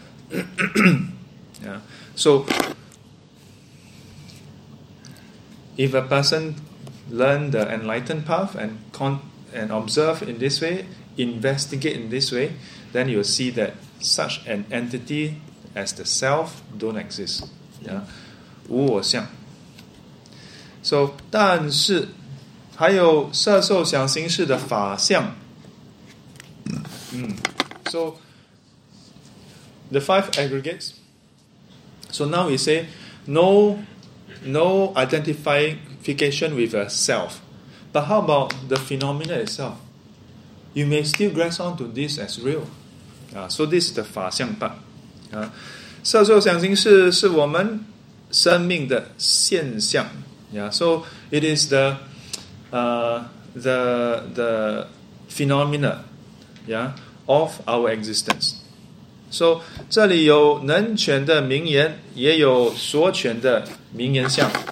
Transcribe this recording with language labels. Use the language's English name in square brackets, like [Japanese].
[English] Yeah. So, if a person learns the enlightened path and observe in this way, investigate in this way, then you'll see that such an entity as the self don't exist. [Chinese] Yeah. 无我相. So, 但是, 还有色受想行识的法相. [English] So, the five aggregates. So now we say, no identification with a self. But how about the phenomena itself? You may still grasp onto this as real. So this is the 法相 part. [Chinese] 色受想行识是我们生命的现象. [English] So it is the phenomena, of our existence. [Chinese] So, 这里有能权的名言，也有所权的名言相.